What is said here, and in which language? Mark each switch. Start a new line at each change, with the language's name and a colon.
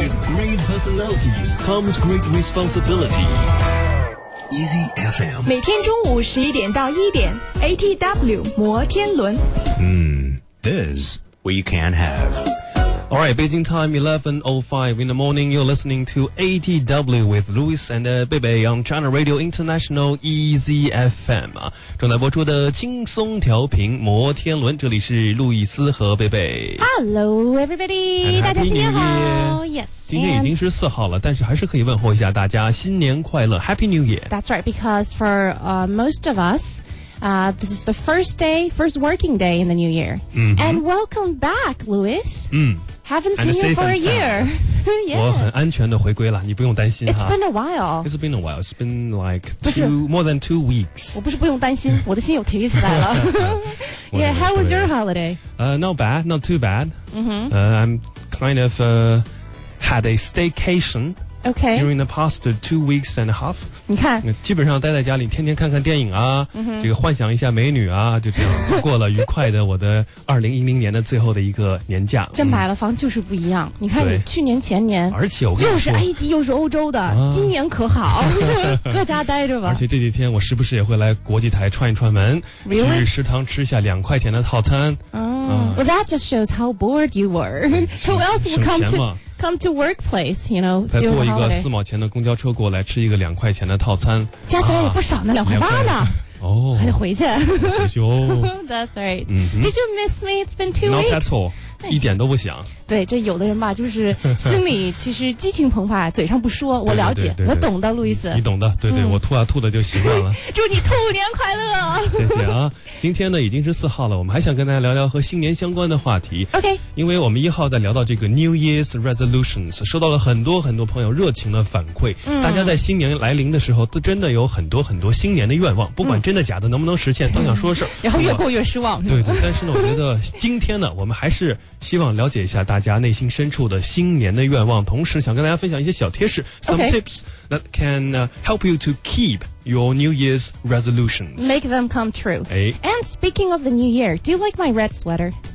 English: with great personalities comes great responsibility easy FM
Chinese: 每天中午十一点到一点 ATW 摩天轮。
English: This we can have. All right, Beijing time 11:05 in the morning. You're listening to ATW with Louis and Bebe on China Radio International Easy FM.
Chinese: 正在播出的轻松调频摩天轮，这里是路易斯和贝贝。
English: Hello, everybody.
Chinese: 大家新年好。
English: Yes.
Chinese: 今天已经是四号了，但是还是可以问候一下大家，新年快乐 ，
English: Happy New Year. That's right, because for most of us,this is the first working day in the new year.、 Mm-hmm. And welcome back, Louis.、 Mm. Haven't seen you for a year.
Chinese: 我很安全地回归了，你不用担心。
English: It's been a while. It's been a while. It's been like more than 2 weeks.
Chinese: 我不是不用担心，我的心又提起来了。
English: Yeah, how was your holiday?、 Not bad, not too bad.、 Mm-hmm. I'm kind of、had a staycation. Okay. During the past 2 weeks and a half.
Chinese: 你看基本上待在家里天天看看电影啊、嗯、这个幻想一下美女啊就这样过了愉快的我的2010年的最后的一个年假这买了房就是不一样、嗯、你看你去年前年而且我跟你说又是埃及又是欧洲的、啊、今年可好各家待着吧而且这几天我时不时也会来国际台串一串门去、
English: really?
Chinese: 食堂吃下2块钱的套餐、
English: oh, Well that just shows how bored you were Who else will come to workplace, you know,
Chinese: 再坐一个4毛钱的公交车过来吃一个2块钱的套餐。加起来也不少呢、啊、2.8呢。哦。还得回去。回去哦。
English: That's right.、 Mm-hmm. Did you miss me? It's been 2 weeks. Not at all.
Chinese: 一点都不想。对这有的人吧就是心里其实激情澎湃嘴上不说我了解对对对对我懂的路易斯。你懂的对对、嗯、我吐啊吐的就习惯了。祝你兔年快乐。谢谢啊。今天呢已经是四号了我们还想跟大家聊聊和新年相关的话题。
English: OK。
Chinese: 因为我们一号在聊到这个 New Year's Resolutions, 收到了很多很多朋友热情的反馈、嗯。大家在新年来临的时候都真的有很多很多新年的愿望不管真的假的、嗯、能不能实现都想说事儿。然后越过越失望。对对但是呢我觉得今天呢我们还是希望了解一下大家内心深处的新年的愿望同时想跟大家分享一些小贴士
English: some、 okay. tips that can、help you to keep your New Year's resolutions make them come true、哎、 and speaking of the New Year do you like my red sweater?